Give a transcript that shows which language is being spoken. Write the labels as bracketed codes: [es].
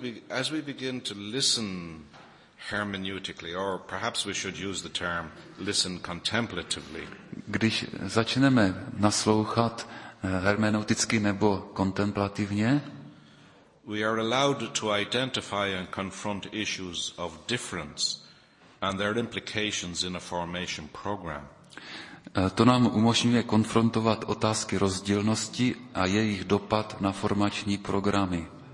[en] As we begin to listen hermeneutically, or perhaps we should use the term listen contemplatively. [cs] Když začneme naslouchat hermeneuticky nebo kontemplativně, [en] we are allowed to identify and confront issues of difference and their implications in a formation program. [cs] To nám umožňuje konfrontovat otázky rozdílnosti a jejich dopad na formační programy.